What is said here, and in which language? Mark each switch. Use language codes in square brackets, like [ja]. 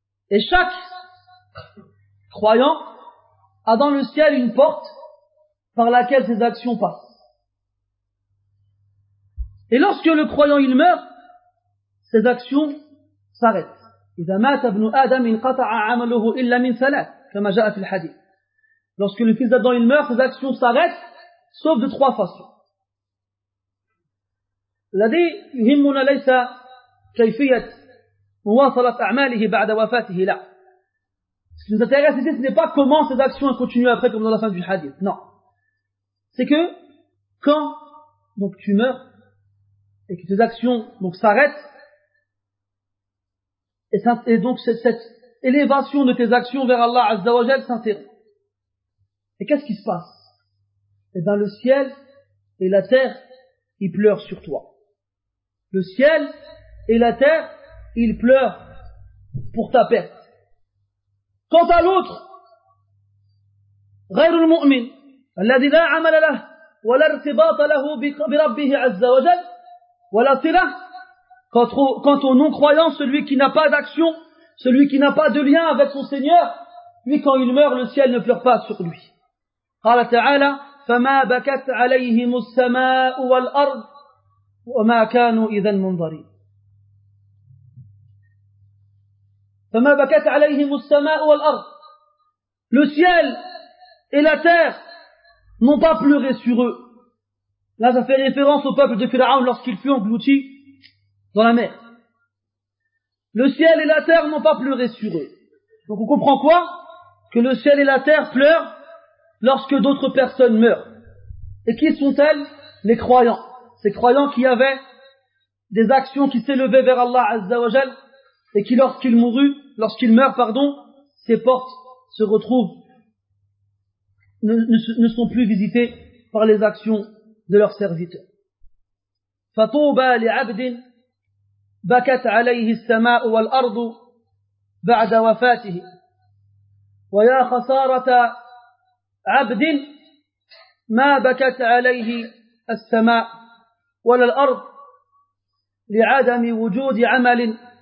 [fr] Et chaque croyant a dans le ciel une porte par laquelle ses actions passent. Et lorsque le croyant il meurt, ses actions s'arrêtent. [ar] إذا مات ابن آدم انقطع عمله إلا من ثلاث كما جاء في الحديث. [fr] Lorsque le fils d'Adam il meurt, ses actions s'arrêtent sauf de trois façons. [ar] الذي يهمنا ليس كيفية مواصلة أعماله بعد وفاته لا. [fr] Ce qui nous intéresse ici, ce n'est pas comment ses actions continuent après comme dans la fin du hadith. Non. C'est que quand donc tu meurs et que tes actions donc s'arrêtent et donc cette élévation de tes actions vers Allah Azza wa Jal s'interrompt. Et qu'est-ce qui se passe ? Eh bien le ciel et la terre, ils pleurent sur toi. Le ciel et la terre, ils pleurent pour ta perte. Quant à l'autre, [ar] غير المؤمن الذي لا عمل له ولا ارتباط له بربه عز وجل ولا صلة [fr] quant au non-croyant, celui qui n'a pas d'action, celui qui n'a pas de lien avec son Seigneur, lui, quand il meurt, le ciel ne pleure pas sur lui. [ar] قال تعالى فما بكت عليهم السماء والأرض وما كانوا إذا منظرين. فما بكت عليهم السماء والأرض. [fr] Le ciel et la terre n'ont pas pleuré sur eux. Là, ça fait référence au peuple de Pharaon lorsqu'il fut englouti dans la mer. Le ciel et la terre n'ont pas pleuré sur eux. Donc on comprend quoi ? Que le ciel et la terre pleurent lorsque d'autres personnes meurent. Et qui sont-elles ? Les croyants. Ces croyants qui avaient des actions qui s'élevaient vers Allah Azza wa Jal et qui lorsqu'ils meurent, ces portes se retrouvent, ne sont plus visitées par les actions de leurs serviteurs. [ar] فَطُوبَا لِعَبْدٍ بكت عليه السماء والأرض بعد وفاته ويا خسارة عبد ما بكت عليه السماء ولا الأرض لعدم وجود عمل